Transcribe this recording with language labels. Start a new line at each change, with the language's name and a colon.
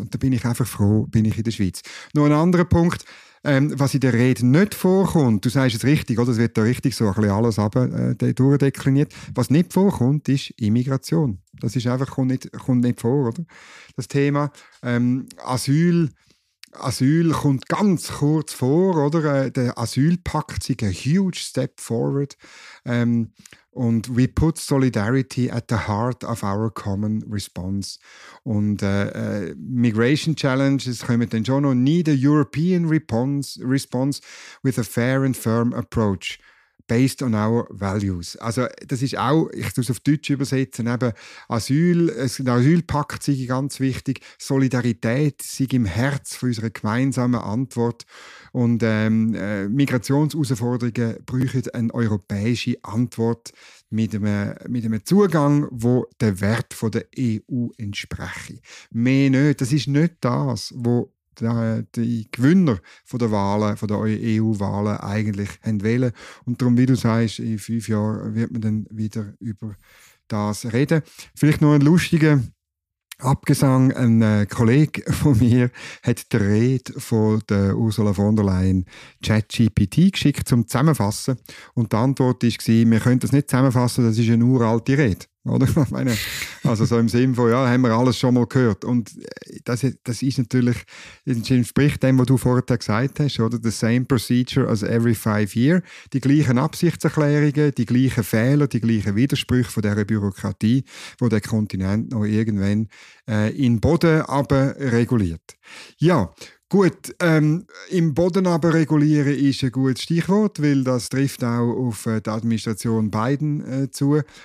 German: Und da bin ich einfach froh, bin ich in der Schweiz. Noch ein anderer Punkt, was in der Rede nicht vorkommt, du sagst es richtig, oder? Es wird da richtig so ein bisschen alles durchdekliniert, was nicht vorkommt, ist Immigration. Das ist einfach, kommt nicht vor, oder? Das Thema Asyl kommt ganz kurz vor, oder? Der Asylpakt ist ein
English: huge step forward.
German: Und
English: we put solidarity at the heart of our common response.
German: Und Migration Challenges kommen dann schon noch.
English: Need a European response with a fair and firm approach based on our values.
German: Also das ist auch, ich tue es auf Deutsch übersetzen, eben Asylpakt sei ganz wichtig, Solidarität sei im Herz für unsere gemeinsame Antwort und Migrationsausforderungen bräuchten eine europäische Antwort mit einem Zugang, wo der Wert von der EU entspreche. Mehr nicht, das ist nicht das, wo die Gewinner von der Wahlen, von der EU-Wahlen eigentlich wählen. Und darum, wie du sagst, in 5 Jahren wird man dann wieder über das reden. Vielleicht noch ein lustiger Abgesang. Ein Kollege von mir hat die Rede von der Ursula von der Leyen ChatGPT geschickt, zum Zusammenfassen. Und die Antwort war, wir können das nicht zusammenfassen, das ist eine uralte Rede. Oder? Also so im Sinn von, ja, haben wir alles schon mal gehört. Und das ist natürlich, das entspricht dem, was du vorher gesagt hast, oder?
English: The same procedure as every 5 years.
German: Die gleichen Absichtserklärungen, die gleichen Fehler, die gleichen Widersprüche von dieser Bürokratie, die der Kontinent noch irgendwann in Boden aber reguliert. Ja, gut, im Boden aber regulieren ist ein gutes Stichwort, weil das trifft auch auf die Administration Biden zu.